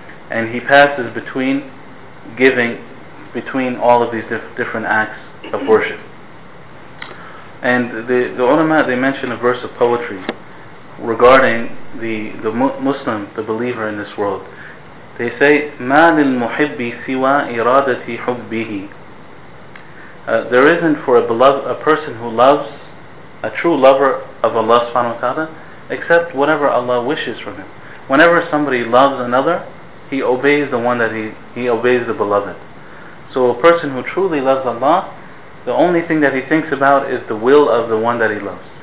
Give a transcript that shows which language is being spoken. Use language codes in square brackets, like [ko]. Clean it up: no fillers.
[en] And he passes between giving, between all of these different acts of worship. And the ulama, they mention a verse of poetry regarding the Muslim, the believer in this world. They say, [ar] مَا لِلْمُحِبِّ سِوَى إِرَادَةِ حُبِّهِ. [en] There isn't for a person who loves, a true lover of Allah subhanahu wa ta'ala, except whatever Allah wishes from him. Whenever somebody loves another, he obeys the one that he obeys the beloved. So a person who truly loves Allah, the only thing that he thinks about is the will of the one that he loves.